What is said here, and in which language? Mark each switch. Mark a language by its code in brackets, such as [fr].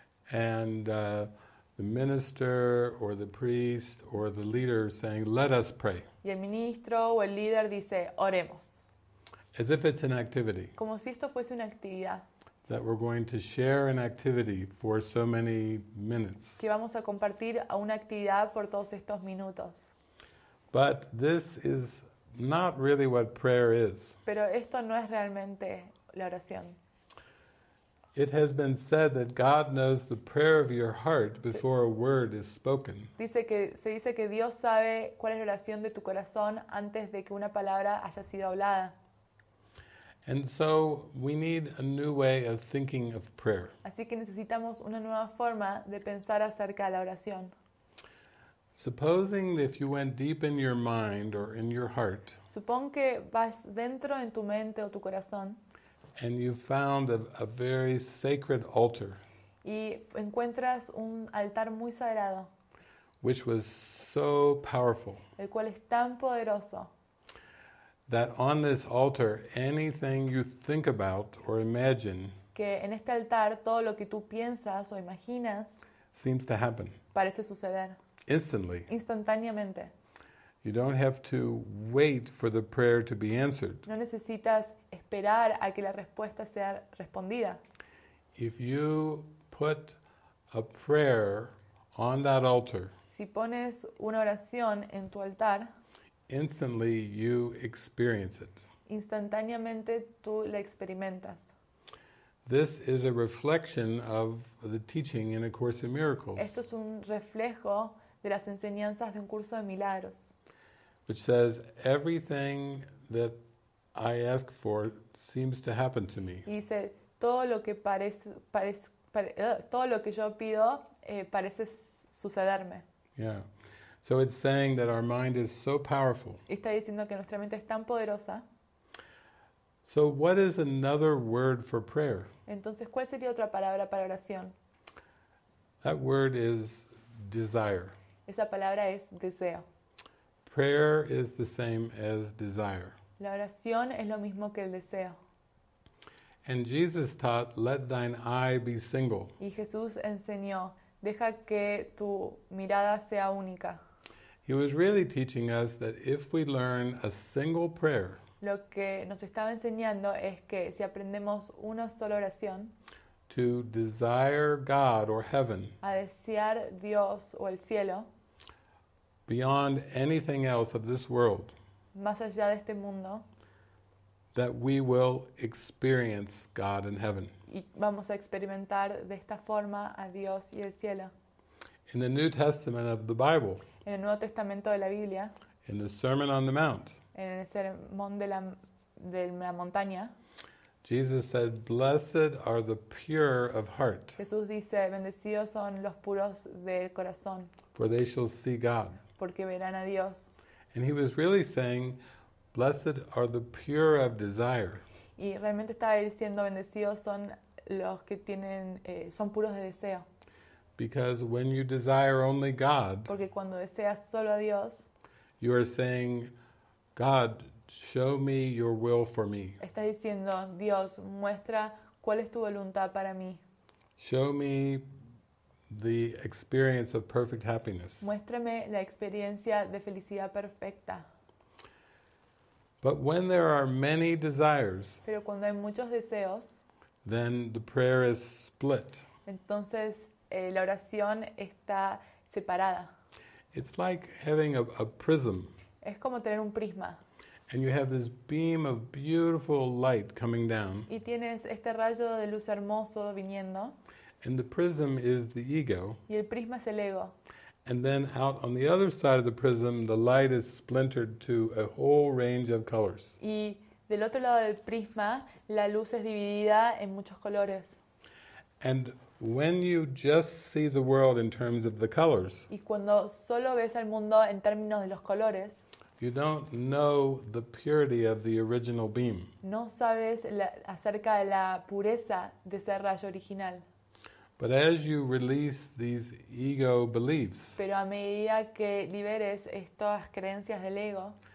[en] And the minister or the priest or the leader saying, "Let us pray." [es] Y el ministro o el líder dice, "Oremos." [en] As if it's an activity. [es] Como si esto fuese una actividad. [en] That we're going to share an activity for so many minutes. [es] Que vamos a compartir una actividad por todos estos minutos. [en] But this is not really what prayer is. [es] Pero esto no es realmente la oración. [en] It has been said that God knows the prayer of your heart before a word is spoken. [es] Se dice que Dios sabe cuál es la oración de tu corazón antes de que una palabra haya sido hablada. [en] And so we need a new way of thinking of prayer. [es] Así que necesitamos una nueva forma de pensar acerca de la oración. [en] Supposing if you went deep in your mind or in your heart. [es] Supón que vas dentro en tu mente o tu corazón. [en] And you found a very sacred altar. [es] Y encuentras un altar muy sagrado. [en] Which was so powerful. [es] El cual es tan poderoso. [en] That on this altar, anything you think about or imagine. [es] Que en este altar todo lo que tú piensas o imaginas. [en] Seems to happen. [es] Parece suceder. [en] Instantly. [es] Instantáneamente. [en] You don't have to wait for the prayer to be answered. [es] No necesitas esperar a que la respuesta sea respondida. [en] If you put a prayer on that altar. [es] Si pones una oración en tu altar. [en] Instantly you experience it. [es] Instantáneamente tú la experimentas. [en] This is a reflection of the teaching in A Course in Miracles. [es] Esto es un reflejo de las enseñanzas de Un Curso de Milagros. [en] Which says everything that I ask for seems to happen to me. [es] Y dice todo lo que yo pido parece sucederme. [en] Yeah. So it's saying that our mind is so powerful. [es] Está diciendo que nuestra mente es tan poderosa. [en] So what is another word for prayer? [es] Entonces, ¿cuál sería otra palabra para oración? [en] That word is desire. [es] Esa palabra es deseo. [en] Prayer is the same as desire. [es] La oración es lo mismo que el deseo. [en] And Jesus taught, let thine eye be single. [es] Y Jesús enseñó, deja que tu mirada sea única. [en] He was really teaching us that if we learn a single prayer, [es] lo que nos estaba enseñando es que si aprendemos una sola oración, [en] to desire God or heaven, [es] a desear Dios o el cielo, [en] beyond anything else of this world, [es] más allá de este mundo, [en] that we will experience God in heaven. [es] Y vamos a experimentar de esta forma a Dios y el cielo. [en] In the New Testament of the Bible, [es] en el Nuevo Testamento de la Biblia, [en] in the Sermon on the Mount, [es] en el sermón de la montaña, [en] Jesus said, "Blessed are the pure of heart." [es] Jesús dice, "Bendecidos son los puros del corazón." [en] For they shall see God. [es] Porque verán a Dios. [en] And he was really saying, "Blessed are the pure of desire." [es] Y realmente estaba diciendo, "Bendecidos son los que tienen son puros de deseo." [en] Because when you desire only God, [es] porque cuando deseas solo a Dios, [en] you are saying, "God, show me your will for me." [es] Estás diciendo, Dios, muestra cuál es tu voluntad para mí. [en] Show me the experience of perfect happiness. [es] Muéstrame la experiencia de felicidad perfecta. [en] But when there are many desires, [es] pero cuando hay muchos deseos, [en] then the prayer is split. [es] Entonces, la oración está separada. [en] It's like having a prism. [es] Es como tener un prisma. [en] And you have this beam of beautiful light coming down. [es] Y tienes este rayo de luz hermoso viniendo. [en] And the prism is the ego. [es] Y el prisma es el ego. [en] And then out on the other side of the prism, the light is splintered to a whole range of colors. [es] Y del otro lado del prisma, la luz es dividida en muchos colores. [en] And when you just see the world in terms of the colors, [es] y cuando solo ves al mundo en términos de los colores, [en] you don't know the purity of the original beam. [es] No sabes acerca de la pureza de ese rayo original. [en] But as you release these ego beliefs, [es] pero a medida que liberes estas creencias del ego,